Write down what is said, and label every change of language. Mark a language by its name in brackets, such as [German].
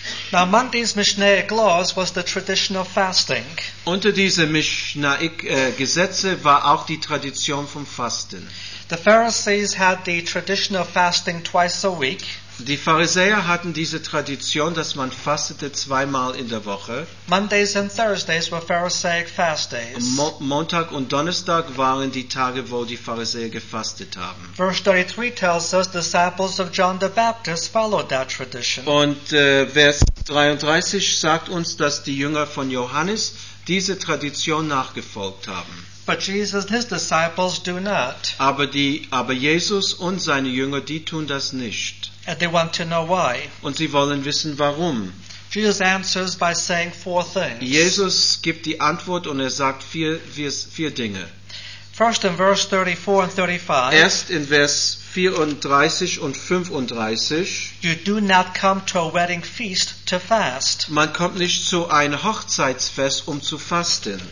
[English] Now, among these Mishnaic laws was the tradition of fasting. [German] Unter diese Mishnaic Gesetze war auch die Tradition vom Fasten. [English] The Pharisees had the tradition of fasting twice a week. [German] Die Pharisäer hatten diese Tradition, dass man fastete zweimal in der Woche. [English] Mondays and Thursdays were Pharisaic fast days. [German] Montag und Donnerstag waren die Tage, wo die Pharisäer gefastet haben. [English] Verse 33 tells us disciples of John the Baptist followed that tradition. [German] Und Vers 33 sagt uns, dass die Jünger von Johannes diese Tradition nachgefolgt haben. [English] But Jesus and his disciples do not. [German] Aber Jesus und seine Jünger, die tun das nicht. [English] And they want to know why. [German] Und sie wollen wissen, warum. [English] Jesus answers by saying four things. [German] Jesus gibt die Antwort und sagt vier Dinge. [English] First in verse 34 and 35. [German] Erst in Vers 34 und 35. [English] You do not come to a wedding feast to fast. [German] Man kommt nicht zu einem Hochzeitsfest, zu fasten.